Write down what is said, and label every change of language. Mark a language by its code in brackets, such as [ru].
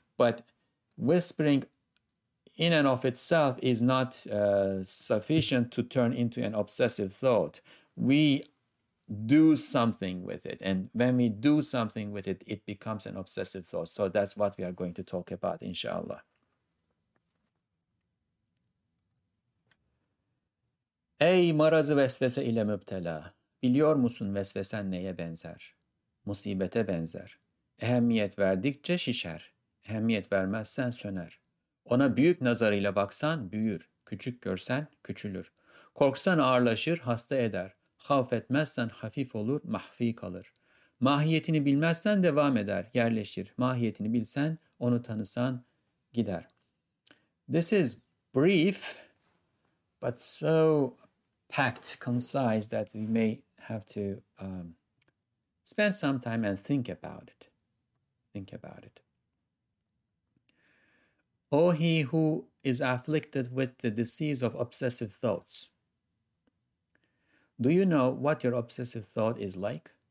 [en] But whispering in and of itself is not sufficient to turn into an obsessive thought. We do something with it, and when we do something with it, it becomes an obsessive thought. So that's what we are going to talk about, inshallah. [tr] Ey marazı vesvese ile müptela, biliyor musun vesvesen neye benzer? Musibete benzer. Ehemmiyet verdikçe şişer, ehemmiyet vermezsen söner. Ona büyük nazarıyla baksan büyür, küçük görsen küçülür. Korksan ağırlaşır, hasta eder. Havf etmezsen hafif olur, mahfi kalır. Mahiyetini bilmezsen devam eder, yerleşir. Mahiyetini bilsen, onu tanısan gider. [en] This is brief, but so packed, concise, that we may have to spend some time and think about it. Think about it. O he who is afflicted with the disease of obsessive thoughts, do you know what your obsessive thought is like?